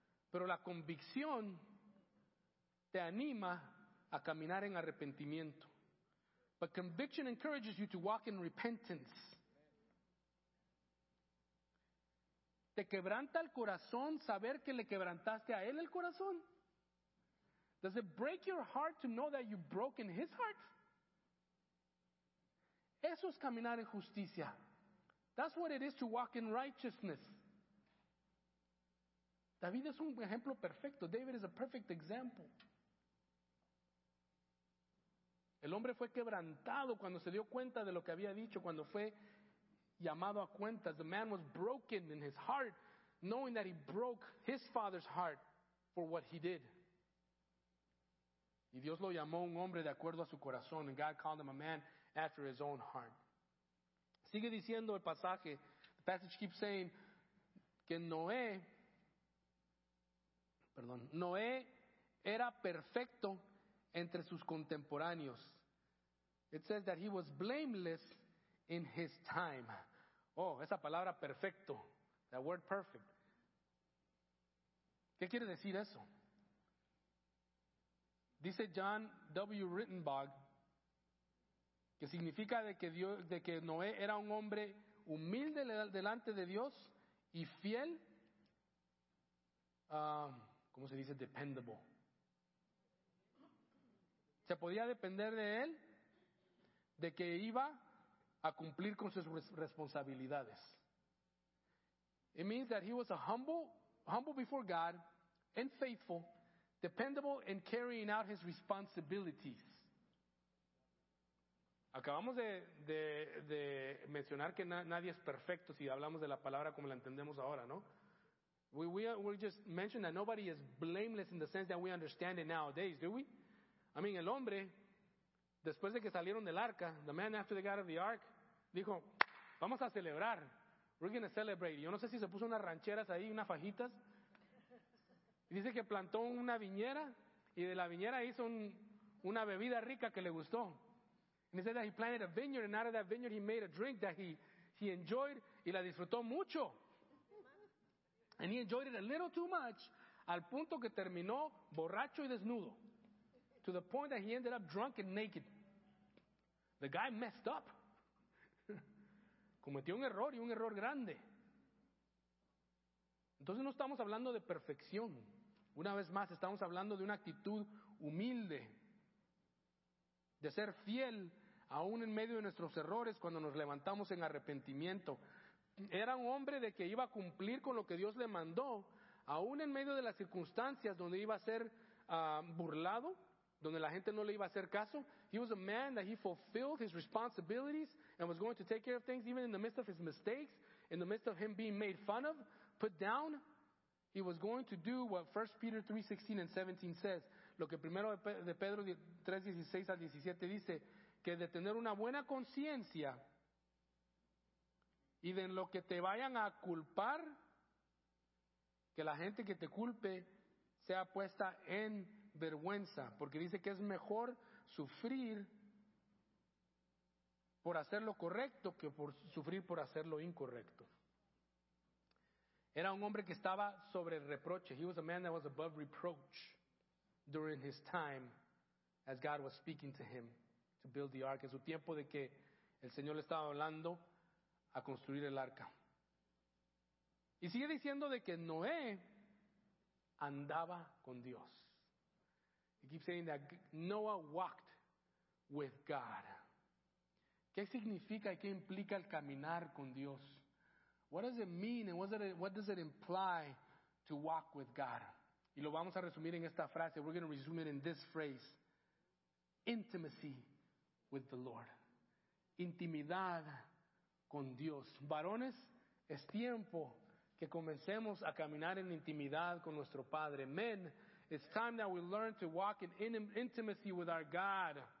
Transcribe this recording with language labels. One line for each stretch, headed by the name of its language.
Spanish: Pero la convicción te anima a caminar en arrepentimiento.
English: But conviction encourages you to walk in repentance.
Spanish: ¿Te quebranta el corazón saber que le quebrantaste a él el corazón?
English: Does it break your heart to know that you've broken his heart?
Spanish: Eso es caminar en justicia.
English: That's what it is to walk in righteousness.
Spanish: David es un ejemplo perfecto.
English: David is a perfect example.
Spanish: El hombre fue quebrantado cuando se dio cuenta de lo que había dicho, cuando fue llamado a cuentas.
English: The man was broken in his heart, knowing that he broke his father's heart for what he did.
Spanish: Y Dios lo llamó un hombre de acuerdo a su corazón.
English: And God called him a man after his own heart.
Spanish: Sigue diciendo el pasaje.
English: The passage keeps saying
Spanish: que Noé era perfecto entre sus contemporáneos.
English: It says that he was blameless in his time.
Spanish: Oh, esa palabra perfecto.
English: That word perfect.
Spanish: ¿Qué quiere decir eso? Dice John W. Rittenbaugh que significa de que Noé era un hombre humilde delante de Dios y fiel. ¿Cómo se dice? Dependable. Se podía depender de él, de que iba a cumplir con sus responsabilidades.
English: It means that he was a humble before God and faithful, dependable in carrying out his responsibilities.
Spanish: Acabamos de mencionar que nadie es perfecto si hablamos de la palabra como la entendemos ahora, ¿no?
English: We just mentioned that nobody is blameless in the sense that we understand it nowadays, do we? I mean,
Spanish: el hombre, después de que salieron del arca,
English: the man after they got out of the ark,
Spanish: dijo, vamos a celebrar.
English: We're going to celebrate.
Spanish: Yo no sé si se puso unas rancheras ahí, unas fajitas. Dice que plantó una viñera y de la viñera hizo una bebida rica que le gustó.
English: And he said that he planted a vineyard and out of that vineyard he made a drink that he enjoyed
Spanish: y la disfrutó mucho.
English: And he enjoyed it a little too much
Spanish: al punto que terminó borracho y desnudo.
English: To the point that he ended up drunk and naked. The guy messed up.
Spanish: Cometió un error y un error grande. Entonces no estamos hablando de perfección. Una vez más, estamos hablando de una actitud humilde, de ser fiel aún en medio de nuestros errores cuando nos levantamos en arrepentimiento. Era un hombre de que iba a cumplir con lo que Dios le mandó, aún en medio de las circunstancias donde iba a ser burlado, donde la gente no le iba a hacer caso.
English: He was a man that he fulfilled his responsibilities and was going to take care of things even in the midst of his mistakes, in the midst of him being made fun of, put down. He was going to do what 1 Peter 3:16 and 17 says.
Spanish: Lo que primero de Pedro 3:16 al 17 dice, que de tener una buena conciencia y de en lo que te vayan a culpar, que la gente que te culpe sea puesta en vergüenza, porque dice que es mejor sufrir por hacer lo correcto que por sufrir por hacer lo incorrecto. Era un hombre que estaba sobre el reproche.
English: He was a man that was above reproach during his time as God was speaking to him to build the ark.
Spanish: En su tiempo de que el Señor le estaba hablando a construir el arca. Y sigue diciendo de que Noé andaba con Dios.
English: He keeps saying that Noah walked with God.
Spanish: ¿Qué significa y qué implica el caminar con Dios?
English: What does it mean and what does it imply to walk with God?
Spanish: Y lo vamos a resumir en esta frase.
English: We're going to resume it in this phrase. Intimacy with the Lord.
Spanish: Intimidad con Dios. Varones, es tiempo que comencemos a caminar en intimidad con nuestro Padre.
English: Men, it's time that we learn to walk in intimacy with our God.